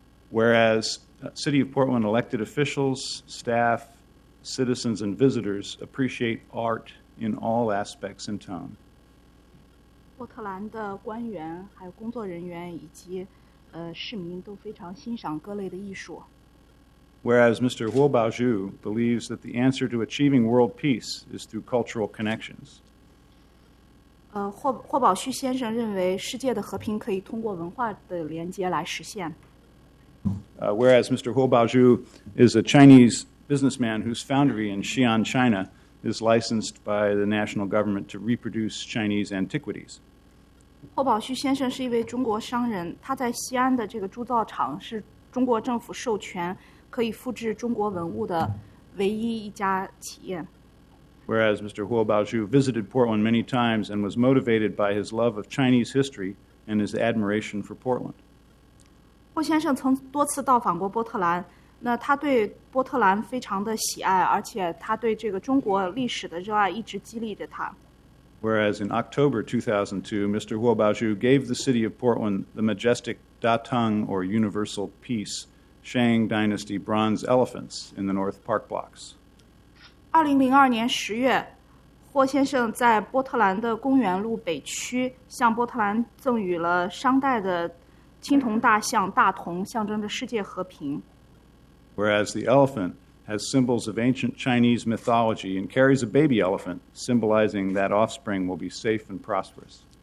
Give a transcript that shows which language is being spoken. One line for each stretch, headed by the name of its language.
English: Whereas City of Portland elected officials, staff, citizens, and visitors appreciate art in all aspects and tone.
Chinese: 波特兰的官员, 还有工作人员, 以及, 市民, 都非常欣赏各类的艺术。
English: Whereas Mr. Huo Baozhu believes that the answer to achieving world peace is through cultural connections.
Chinese: 霍宝旭先生认为世界的和平可以通过文化的连接来实现。
English: Whereas Mr. Huo Baozhu is a Chinese businessman whose foundry in Xi'an, China, is licensed by the national government to reproduce Chinese antiquities.
Chinese: 霍宝旭先生是一位中国商人, 他在西安的这个铸造厂是中国政府授权可以复制中国文物的唯一一家企业。
English: Whereas Mr. Huo Baozhu visited Portland many times and was motivated by his love of Chinese history and his admiration for Portland.
Chinese: 霍先生曾多次到访过波特兰，那他对波特兰非常的喜爱，而且他对这个中国历史的热爱一直激励着他。
English: Whereas in October 2002, Mr. Huo Baozhu gave the city of Portland the majestic Datang, or Universal Peace, Shang Dynasty bronze elephants in the North Park blocks.
Chinese: 2002年10月, 霍先生在波特兰的公园路北区向波特兰赠予了商代的青铜大象大同，象征着世界和平。
English: Whereas the elephant has symbols of ancient Chinese mythology and carries a baby elephant, symbolizing that offspring will be safe and prosperous.